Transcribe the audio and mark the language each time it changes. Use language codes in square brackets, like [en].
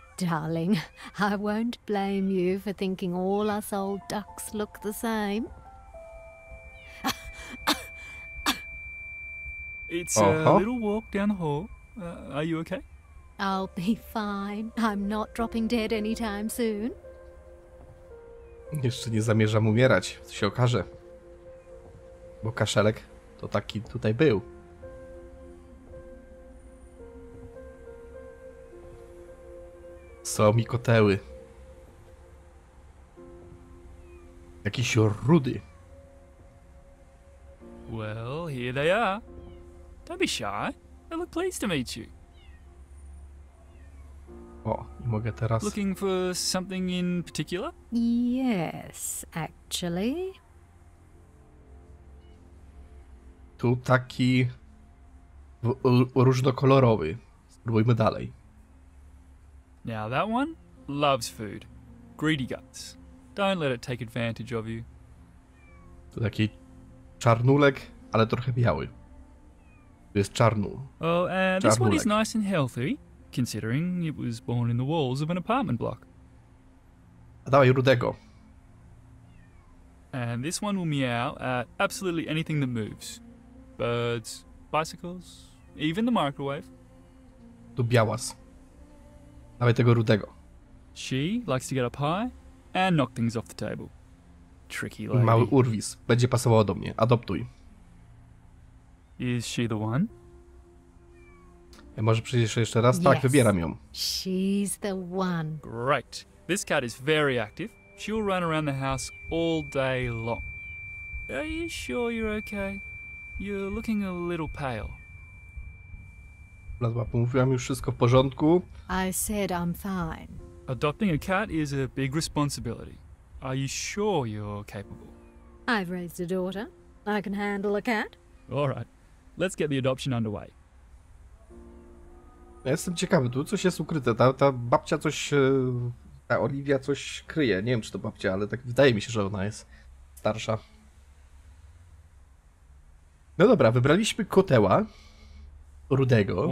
[en] Darling, I won't blame you for thinking all us old ducks look the same. It's a little walk down the hall. Are you okay? I'll be fine. I'm not dropping dead anytime soon. [pl] Jeszcze nie zamierzam umierać, co się okaże. Bo kaszelek to taki tutaj był. Są mi koteły. Jakiś rudy. [en] Well, here they are. Don't be shy. I look pleased to meet you. [pl] O, i mogę teraz... [en] Looking for something in particular? Yes, actually. [pl] Tu taki... różnokolorowy. Spróbujmy dalej. [en] Now that one loves food. Greedy guts. Don't let it take advantage of you. [pl] Tu taki czarnulek, ale trochę biały. Tu jest czarnul. [en] Oh, and this one is nice and healthy. Considering it was born in the walls of an apartment block. [pl] A dawaj rudego. [en] And this one will meow at absolutely anything that moves. Birds, bicycles, even the microwave. [pl] Tu białas. Dawaj tego rudego. [en] She likes to get up high and knock things off the table. Tricky lady. [pl] Mały urwis. Będzie pasowała do mnie. Adoptuj. [en] Is she the one? [pl] Może przyjdziesz jeszcze raz? Tak, [en] yes. [pl] Wybieram ją. [en] She's the one. Great. This cat is very active. She'll run around the house all day long. Are you sure you're okay? You're looking a little pale. [pl] Bladła, pomówiłam już wszystko w porządku. [en] I said I'm fine. Adopting a cat is a big responsibility. Are you sure you're capable? I've raised a daughter. I can handle a cat. All right. Let's get the adoption underway. [pl] Ja jestem ciekawy, tu coś jest ukryte, ta babcia coś, ta Olivia coś kryje, nie wiem czy to babcia, ale tak wydaje mi się, że ona jest starsza. No dobra, wybraliśmy koteła, rudego.